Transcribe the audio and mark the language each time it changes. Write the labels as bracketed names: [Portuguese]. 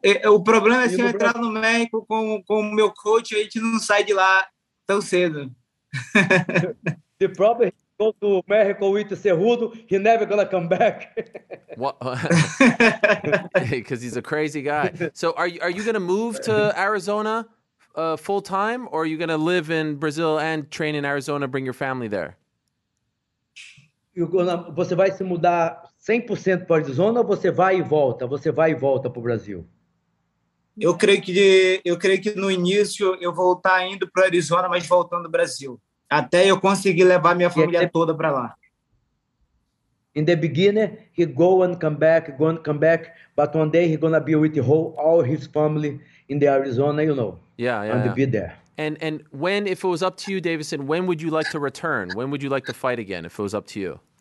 [Portuguese] O problema é se eu entrar no México com o meu coach, a gente não sai de lá tão cedo. [English] The problem is go to Mexico with Cerrudo, he never gonna come back. What? Because he's a crazy guy. So are you gonna move to Arizona full time, or are you gonna live in Brazil and train in Arizona, bring your family there? [Portuguese] Você vai se mudar 100% para Arizona ou você vai e volta? Você vai e volta pro Brasil? Eu creio que no início eu vou estar indo para Arizona, mas voltando ao Brasil. Até eu conseguir levar minha família toda para lá. [English] In the beginning, he go and come back, but one day he's gonna be with all his family in the Arizona, you know. Yeah. And be there. And when, if it was up to you, Deiveson, when would you like to return? When would you like to fight again, if it was up to you?